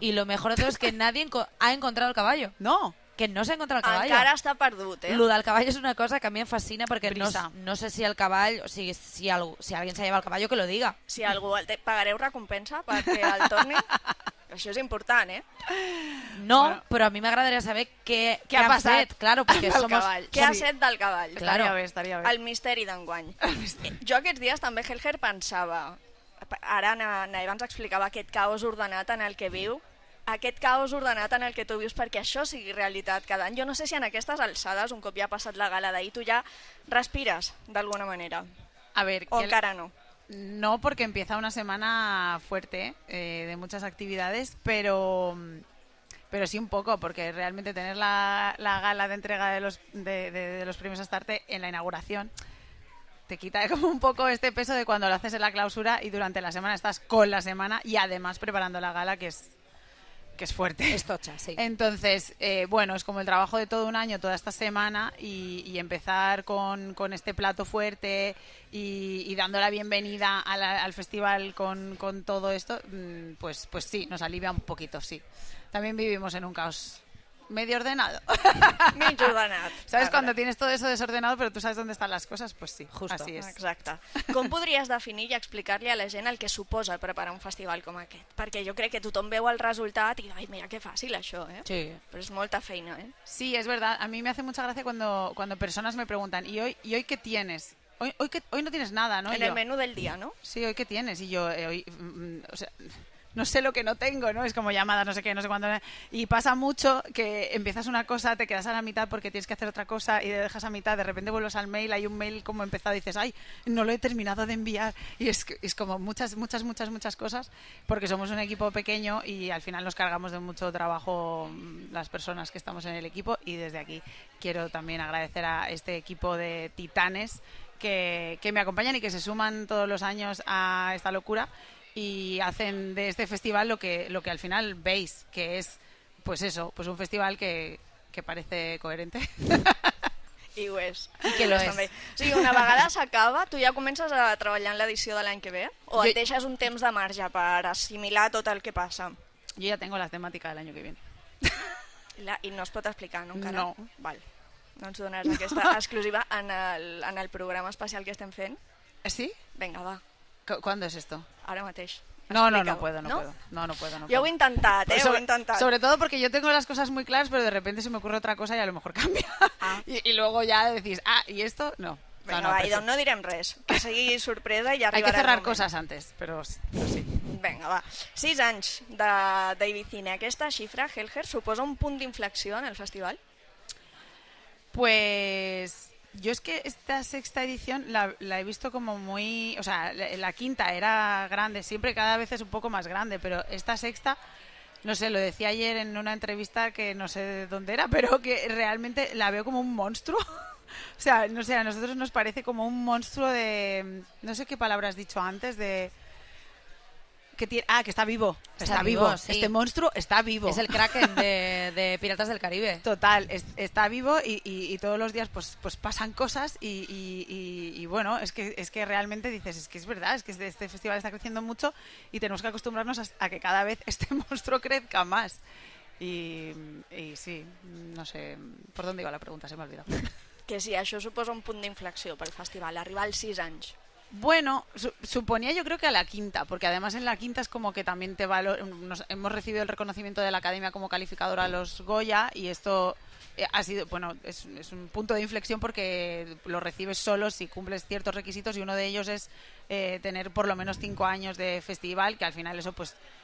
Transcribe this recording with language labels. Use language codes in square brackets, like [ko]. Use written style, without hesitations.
[es] I lo mejor de todo es que nadie ha encontrado el caballo. No. Que no se ha encontrado el caballo. [ca] Encara està perdut, eh? Lo del caball és una cosa que a mi em fascina perquè no sé si el caball, o sigui, si algú s'ha llevat el caball, que lo diga. Si algú, pagareu recompensa perquè el torni... Això és important, eh? No, bueno, però a mi m'agradaria saber què ha passat fet, claro, perquè amb el [es] somos... [ca] cavall. Què ha fet del cavall? [es] Claro. [ca] Estaria bé. El misteri d'enguany. Jo aquests dies també, Helger, pensava... Ara, Naiva ens explicava aquest caos ordenat en el que viu. aquest caos ordenat en el que tu vius perquè això sigui realitat cada any. Jo no sé si en aquestes alçades, un cop ja ha passat la gala d'ahir, tu ja respires d'alguna manera. [es] A ver, [ca] o encara no. [es] No, porque empieza una semana fuerte, de muchas actividades, pero sí un poco, porque realmente tener la gala de entrega de los premios Astarte en la inauguración te quita como un poco este peso de cuando lo haces en la clausura y durante la semana estás con la semana y además preparando la gala, que es fuerte. Es tocha, sí. Entonces, bueno, es como el trabajo de todo un año, toda esta semana, y empezar con este plato fuerte y dando la bienvenida al festival con todo esto, pues sí, nos alivia un poquito, sí. También vivimos en un caos medio ordenado. Medio ordenado. ¿Sabes cuando tienes todo eso desordenado, pero tú sabes dónde están las cosas? Pues sí, justo. Así es. [ca] Exacte. Com podries definir i explicar-li a la gent el que suposa preparar un festival com aquest? Perquè jo crec que tothom veu el resultat i, ai, mira, que fàcil això, eh? Sí. Però és molta feina, eh? [es] Sí, es verdad. A mí me hace mucha gracia cuando personas me preguntan, ¿y hoy qué tienes? Hoy no tienes nada, ¿no? En el menú del día, ¿no? Sí, ¿hoy qué tienes? Y yo, o sea, no sé lo que no tengo, ¿no? Es como llamadas, no sé qué, no sé cuándo. Y pasa mucho que empiezas una cosa, te quedas a la mitad porque tienes que hacer otra cosa y te dejas a mitad. De repente vuelves al mail, hay un mail como empezado y dices, ¡ay, no lo he terminado de enviar! Y es como muchas, muchas, muchas, muchas cosas porque somos un equipo pequeño y al final nos cargamos de mucho trabajo las personas que estamos en el equipo. Y desde aquí quiero también agradecer a este equipo de titanes que me acompañan y que se suman todos los años a esta locura. Y hacen de este festival lo que al final veis, que es, pues eso, pues un festival que parece coherente. [ca] I ho és. I que lo és. O sigui, una vegada s'acaba, tu ja comences a treballar en l'edició de l'any que ve? O et deixes un temps de marge per assimilar tot el que passa? Jo ja [es] tengo [ca] la temàtica de l'any [es] que viene. [ca] I no es pot explicar, no, encara? No. Val. No ens donaràs aquesta exclusiva en el programa especial que estem fent? Sí? Vinga, va. [es] ¿Cuándo es esto? Ahora [ca] mateix. [es] No puedo. Yo he intentado, pues he intentado. Sobre todo porque yo tengo las cosas muy claras, pero de repente se me ocurre otra cosa y a lo mejor cambia. Ah. Y luego ya decís, ¿y esto? No. [ca] Venga, va, no direm res. Que sigui sorpresa i arribarà. [es] Hay que cerrar cosas antes, pero sí. [ca] Venga, va. 6 anys de David Cine. Aquesta xifra, Helger, suposa un punt d'inflexió en el festival? [es] Pues... Yo es que esta sexta edición la he visto como muy... O sea, la quinta era grande, siempre cada vez es un poco más grande, pero esta sexta, no sé, lo decía ayer en una entrevista que no sé de dónde era, pero que realmente la veo como un monstruo. O sea, no sé, a nosotros nos parece como un monstruo de... No sé qué palabra has dicho antes, de... Que tiene, que está vivo. Está vivo, sí. Este monstruo está vivo. Es el Kraken de Piratas del Caribe. Total, está vivo y todos los días pues pasan cosas y bueno, es que realmente dices, es que es verdad, es que este festival está creciendo mucho y tenemos que acostumbrarnos a que cada vez este monstruo crezca más. Y sí, no sé, ¿por dónde iba la pregunta? Se me ha olvidado. [ca] Que sí, això suposa un punt d'inflexió pel festival, arribar als 6 anys. [es] Bueno, suponía yo creo que a la quinta, porque además en la quinta es como que también te valora, hemos recibido el reconocimiento de la Academia como calificadora a los Goya y esto ha sido, bueno, es un punto de inflexión porque lo recibes solo si cumples ciertos requisitos y uno de ellos es tener por lo menos 5 años de festival, que al final eso pues